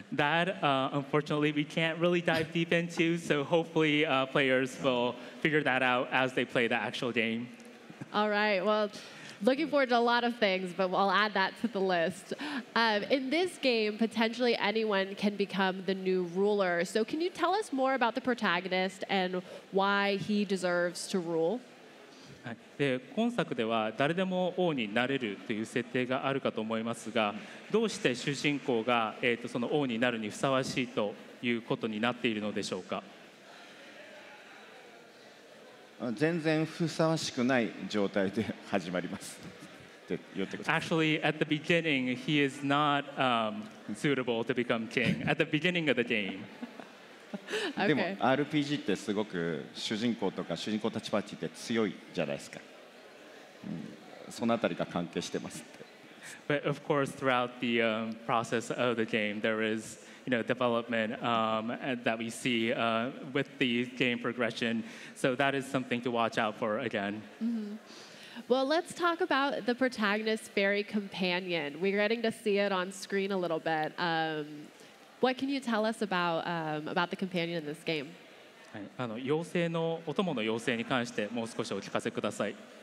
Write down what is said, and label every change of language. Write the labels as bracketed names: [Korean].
[English] That, unfortunately we can't really dive deep into, so hopefully, players will figure that out as they play the actual game. All right, wellLooking forward to a lot of things, but I'll add that to the list. In this game, potentially anyone can become the new ruler. So can you tell us more about the protagonist and why he deserves to rule? [Japanese] で今作では誰でも王になれるという設定があるかと思いますが、どうして主人公が、その王になるにふさわしいということになっているのでしょうか。全然ふさわしくない状態で始まりますって言ってください。 [English] Actually, at the beginning, he is not suitable to become king. At the beginning of the game. [Japanese] でも、 [English] okay. [Japanese] RPG ってすごく主人公とか主人公たちパーティーって強いじゃないですか。うん、そのあたりが関係してますって。 [English] But of course, throughout the process of the game, there is... You know, development that we see with the game progression. So that is something to watch out for again. Mm-hmm. Well, let's talk about the protagonist's fairy companion. We're getting to see it on screen a little bit. What can you tell us about the companion in this game? [Japanese] 妖精の、お供の妖精に関してもう少しお聞かせください。